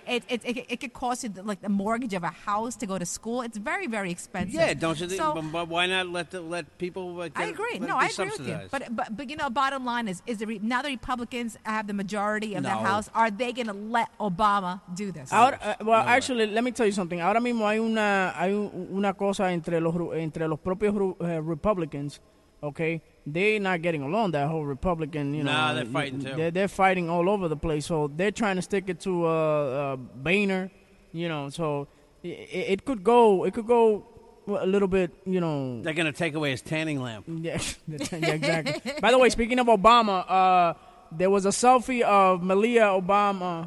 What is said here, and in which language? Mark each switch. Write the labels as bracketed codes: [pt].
[en] It could cost you like the mortgage of a house to go to school. It's very, very expensive. Yeah, don't you think? But why not let people get, I agree. Let no, it be I agree subsidized. With you. But you know, bottom line is there, now the Republicans have the majority of the House, are they going to let Obama do this? Let me tell you something. [es] Ahora mismo hay una cosa entre los propios Republicans, okay? [en] They're not getting along, that whole Republican, they're fighting too. They're fighting all over the place. So they're trying to stick it to Boehner, you know. So it could go a little bit, you know. They're going to take away his tanning lamp. Yeah, exactly. By the way, speaking of Obama, there was a selfie of Malia Obama.